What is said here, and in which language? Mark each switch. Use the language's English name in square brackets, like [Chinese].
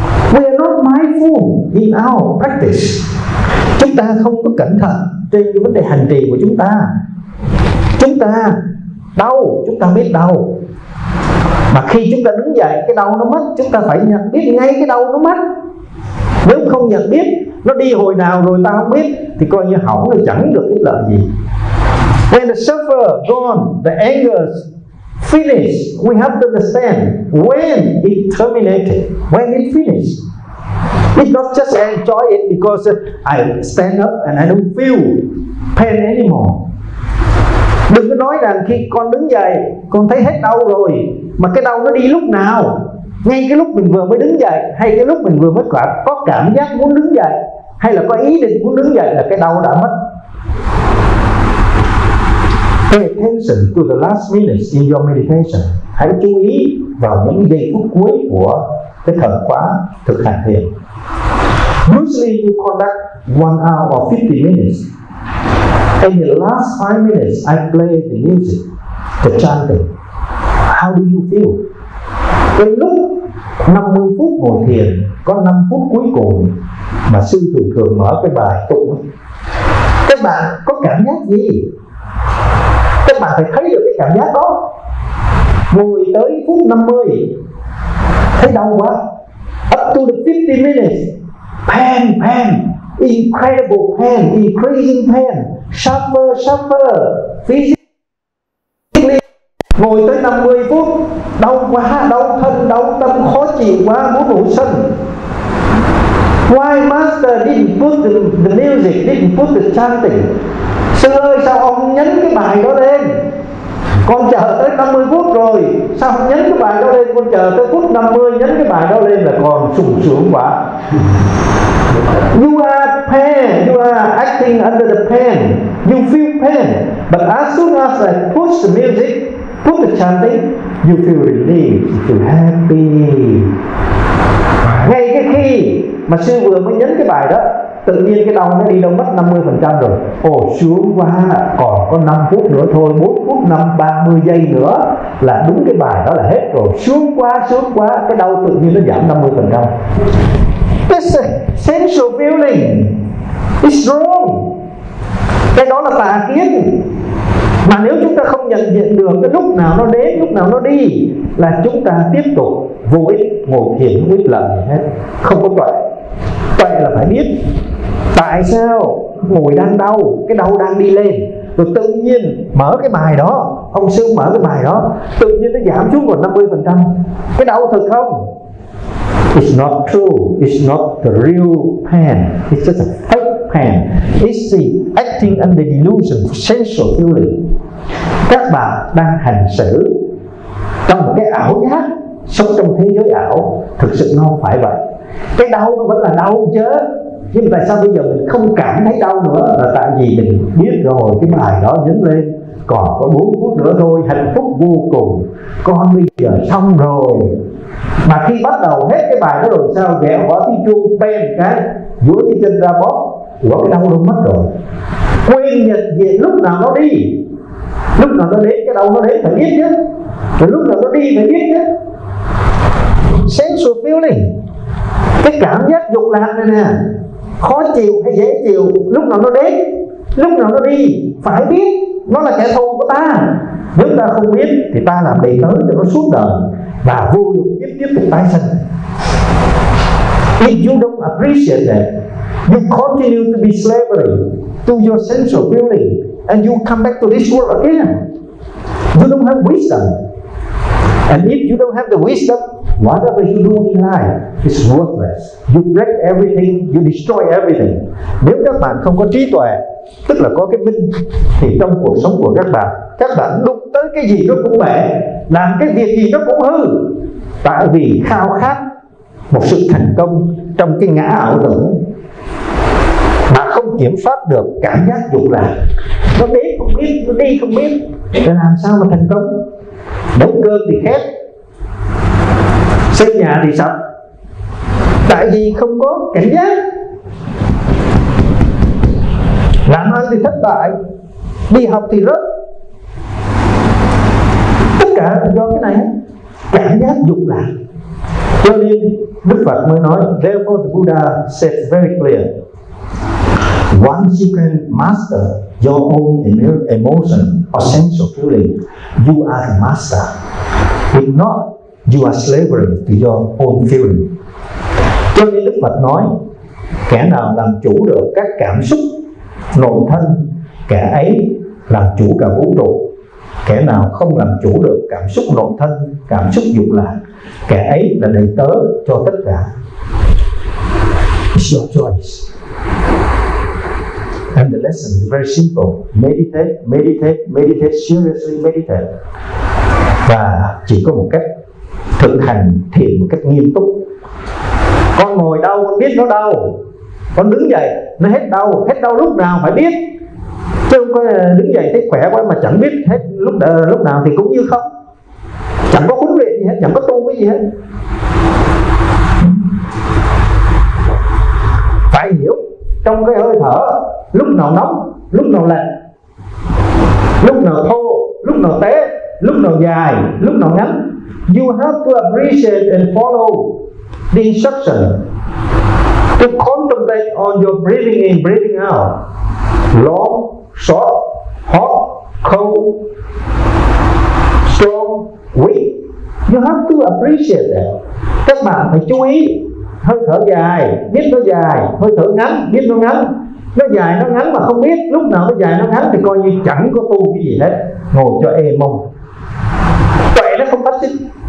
[English] We are not mindful in our practice. [Vietnamese] Chúng ta không có cẩn thận trên cái vấn đề hành trì của chúng ta. Chúng ta đau, chúng ta biết đau, mà khi chúng ta đứng dậy cái đau nó mất, chúng ta phải nhận biết ngay cái đau nó mất. Nếu không nhận biết nó đi hồi nào rồi ta không biết thì coi như hỏng rồi, chẳng được ích lợi gì. [English] When the suffer gone, the anger's finish, we have to understand when it terminated, when it finished. It's not just enjoy it because I stand up and I don't feel pain anymore. [Vietnamese] Đừng có nói rằng khi con đứng dậy con thấy hết đau rồi, mà cái đau nó đi lúc nào? Ngay cái lúc mình vừa mới đứng dậy, hay cái lúc mình vừa mới có cảm giác muốn đứng dậy, hay là có ý định muốn đứng dậy là cái đau đã mất. [English] Pay attention to the last minutes in your meditation. [Vietnamese] Hãy chú ý vào những giây phút cuối của cái thời khóa thực hành thiền. [English] Usually you conduct 1 hour or 50 minutes. In the last 5 minutes, I play the music, the chanting. How do you feel? [Vietnamese] Cái lúc 50 phút ngồi thiền, có 5 phút cuối cùng mà sư thường thường mở cái bài tụng, các bạn có cảm giác gì? Các bạn phải thấy được cái cảm giác đó. Ngồi tới phút 50 thấy đau quá, [English] up to the 50 minutes, pain, pain, incredible pain, increasing pain, suffer, suffer, physical. [Vietnamese] Ngồi tới 50 phút, đau quá, đau thân, đau tâm, khó chịu quá, muốn ngủ sân. [English] Why master didn't put the music, didn't put the chanting? [Vietnamese] Sư ơi, sao ông nhấn cái bài đó lên? Con chờ tới 50 phút rồi, sao ông nhấn cái bài đó lên? Con chờ tới phút 50, nhấn cái bài đó lên là còn sung sướng quá. [English] You are pain, you are acting under the pain, you feel pain. But as soon as I put the music, put the chanting, you feel relieved, you feel happy. [Vietnamese] Ngay cái khi mà sư vừa mới nhấn cái bài đó, tự nhiên cái đau nó đi đâu mất 50% rồi. Ồ, sướng quá, còn có 5 phút nữa thôi, 4 phút 5, 30 giây nữa là đúng cái bài đó là hết rồi. Sướng quá, cái đau tự nhiên nó giảm 50%. [English] This sensual feeling is wrong. [Vietnamese] Cái đó là tà kiến. Mà nếu chúng ta không nhận diện được cái lúc nào nó đến, lúc nào nó đi, là chúng ta tiếp tục vô ích, ngồi thiền không biết làm gì hết, không có tuệ. Tuệ là phải biết tại sao ngồi đang đau, cái đau đang đi lên, rồi tự nhiên mở cái bài đó, ông sư mở cái bài đó, tự nhiên nó giảm xuống còn 50%. Cái đau thật không? [English] It's not true, it's not the real pain, it's just a fake pain. It's the acting under delusion, sensual feeling. [Vietnamese] Các bạn đang hành xử trong một cái ảo giác, sống trong thế giới ảo. Thực sự nó không phải vậy. Cái đau nó vẫn là đau chứ, nhưng tại sao bây giờ mình không cảm thấy đau nữa? Là tại vì mình biết rồi, cái bài đó dính lên còn có 4 phút nữa thôi, hạnh phúc vô cùng, con bây giờ xong rồi. Mà khi bắt đầu hết cái bài đó rồi sao, ghẹo bỏ tiếng chuông, bèn cái dưới cái chân ra bóp, quả cái đau nó mất rồi. Quên nhận diện lúc nào nó đi, lúc nào nó đến, cái đau nó đến phải biết chứ, rồi lúc nào nó đi phải biết chứ. Sensual feeling, cái cảm giác dục lạc này nè, khó chịu hay dễ chịu, lúc nào nó đến, lúc nào nó đi phải biết. Nó là kẻ thù của ta. Nếu ta không biết thì ta làm đầy tớ cho nó suốt đời và vô dụng tiếp tiếp tục tái sinh. [English] If you don't appreciate that, you continue to be slavery to your sensual feeling and you come back to this world again. You don't have wisdom. And if you don't have the wisdom, whatever you do in life is worthless. You break everything, you destroy everything. [Vietnamese] Nếu các bạn không có trí tuệ, tức là có cái minh, thì trong cuộc sống của các bạn đụng tới cái gì nó cũng bể, làm cái việc gì nó cũng hư. Tại vì khao khát một sự thành công trong cái ngã ảo tưởng, mà không kiểm soát được cảm giác dục lạc. Nó đến không biết, nó đi không biết, để làm sao mà thành công? Động cơ thì khép, xây nhà thì sập, tại vì không có cảnh giác. Làm ăn thì thất bại, đi học thì rớt. Tất cả do cái này, cảm giác dục lạc. Cho nên Đức Phật mới nói, [English] therefore the Buddha said very clear, once you can master your own emotion or sense of feeling, you are the master. If not, you are slavery to your own feeling. [Vietnamese] Cho nên Đức Phật nói, kẻ nào làm chủ được các cảm xúc nội thân, kẻ ấy làm chủ cả vũ trụ. Kẻ nào không làm chủ được cảm xúc nội thân, cảm xúc dục lạc, kẻ ấy là đầy tớ cho tất cả. [English] It's your choice. And the lesson is very simple. Meditate, seriously meditate. [Vietnamese] Và chỉ có một cách, thực hành thiền một cách nghiêm túc. Con ngồi đau, con biết nó đau. Con đứng dậy, nó hết đau lúc nào phải biết. Chứ không có đứng dậy thấy khỏe quá mà chẳng biết hết lúc nào thì cũng như không. Chẳng có huấn luyện gì hết, chẳng có tu cái gì hết. Phải hiểu trong cái hơi thở, lúc nào nóng, lúc nào lạnh, lúc nào thô, lúc nào tế, lúc nào dài, lúc nào ngắn. [English] You have to appreciate and follow the instruction to contemplate on your breathing in, breathing out, long, short, hot, cold, strong, weak. You have to appreciate that. [Vietnamese] Các bạn phải chú ý hơi thở dài, biết nó dài, hơi thở ngắn, biết nó ngắn. Nó dài nó ngắn mà không biết lúc nào nó dài nó ngắn thì coi như chẳng có tu cái gì hết, ngồi cho êm mông. nó không phát sinh.